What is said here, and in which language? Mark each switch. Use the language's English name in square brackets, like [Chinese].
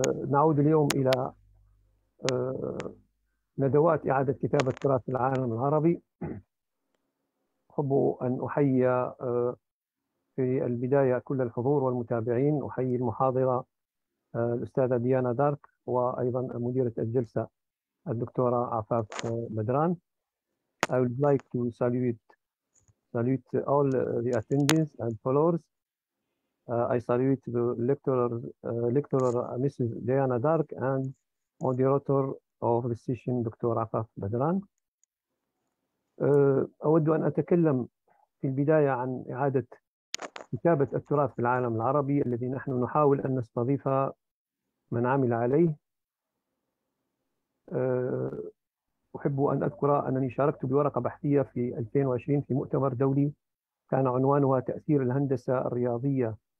[Arabic] نعود اليوم الى ندوات إعادة كتابة تراث العالم العربي. أحب أن أحيي في البداية كل الحضور والمتابعين، أحيي المحاضرة الأستاذة ديانا دارك، وأيضا مديرة الجلسة الدكتورة عفاف بدران. [English] I would like to salute all the attendees and followers. I salute the lecturer Mrs. Diana Dark and moderator of the session doctor عفاف بدران. [Arabic] أود أن أتكلم في البداية عن إعادة كتابة التراث في العالم العربي الذي نحن نحاول أن نستضيف من عمل عليه. أحب أن أذكر أنني شاركت بورقة بحثية في 2020 في مؤتمر دولي كان عنوانها تأثير الهندسة الرياضية